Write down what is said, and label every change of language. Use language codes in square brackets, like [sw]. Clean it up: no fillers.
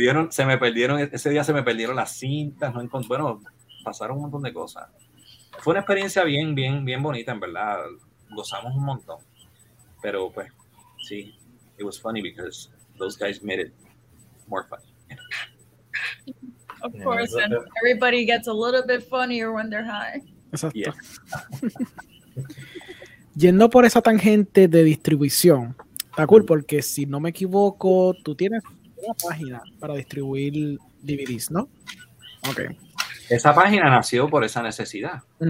[es] se me perdieron ese día, se me perdieron las cintas, no encontré, bueno, pasaron un montón de cosas. Fue una experiencia bien bonita, en verdad. Gozamos un montón. Pero pues sí, [en] it was funny because those guys made it more funny. Of course, and everybody gets a little bit funnier when they're high. [es] Exacto. Yendo por esa tangente de distribución, está cool, porque si no me equivoco, tú tienes una página para distribuir DVDs, ¿no? Okay. Esa página nació por esa necesidad.